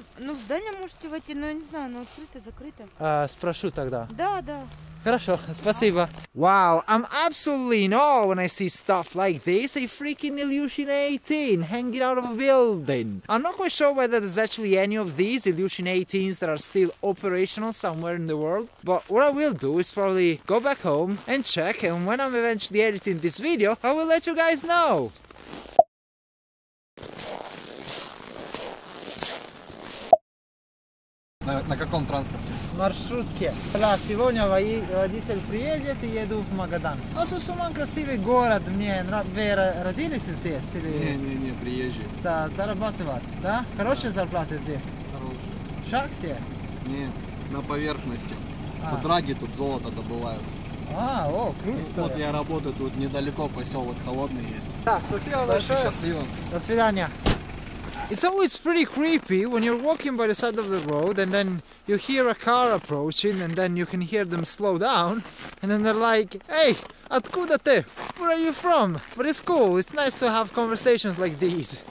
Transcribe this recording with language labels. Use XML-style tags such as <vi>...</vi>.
<ru>Ну, в здание можете войти, но я не знаю, оно открыто, закрыто. Спрошу тогда. Да, да. Хорошо, спасибо.</ru> <en>Wow, I'm absolutely in awe when I see stuff like this. A freaking Ilyushin 18 hanging out of a building. I'm not quite sure whether there's actually any of these Ilyushin 18s that are still operational somewhere in the world. But what I will do is probably go back home and check. And when I'm eventually editing this video, I will let you guys know.</en> <ru>На каком транспорте? Маршрутке. Да, сегодня мои родители приедут и еду в Магадан. А Сусуман красивый город, мне нравится. Вы родились здесь? Или... Не, приезжие. Да, зарабатывать, да? Хорошие зарплаты здесь? Хорошие. В шахте? Нет, на поверхности. Цедраги тут золото добывают. Круто. Вот я работаю, тут недалеко поселок холодный есть. Да, спасибо большое. Дальше счастливо. До свидания.</ru> <en>It's always pretty creepy when you're walking by the side of the road and then you hear a car approaching and then you can hear them slow down and then they're like, hey,</en> <ru>откуда ты?</ru> <en>Where are you from? But it's cool, it's nice to have conversations like these.</en>